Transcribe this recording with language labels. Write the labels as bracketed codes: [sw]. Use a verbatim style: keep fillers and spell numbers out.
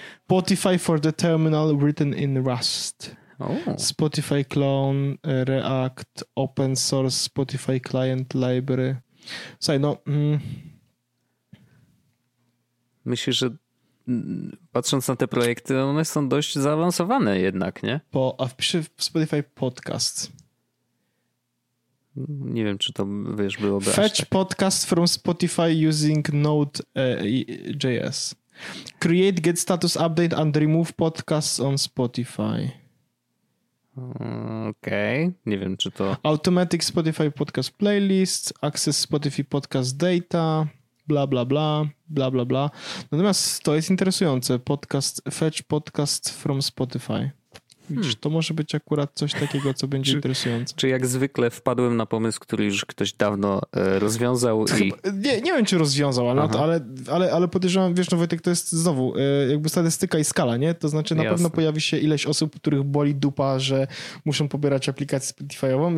[en] Spotify for the terminal written in Rust. Oh. Spotify clone, React, open source, Spotify client library. [pl] Słuchaj, no... Mm. Myślę, że patrząc na te projekty, one są dość zaawansowane jednak, nie? Po, a wpiszę w Spotify podcast. Nie wiem, czy to, wiesz, byłoby [en] Fetch [pl] aż tak. [en] podcast from Spotify using Node.js. Create get status update and remove podcasts on Spotify. [pl] Okej, okay. Nie wiem, czy to... [en] Automatic Spotify podcast playlist, access Spotify podcast data, bla, bla, bla, bla, bla, bla. [pl] Natomiast to jest interesujące. [en] Podcast, fetch podcast from Spotify. Hmm. [pl] To może być akurat coś takiego, co będzie czy, interesujące. Czy jak zwykle wpadłem na pomysł, który już ktoś dawno e, rozwiązał i... Nie, nie wiem, czy rozwiązał, ale, ale, ale, ale podejrzewam, wiesz, no Wojtek, to jest znowu e, jakby statystyka i skala, nie? To znaczy na Jasne. pewno pojawi się ileś osób, których boli dupa, że muszą pobierać aplikację Spotify'ową.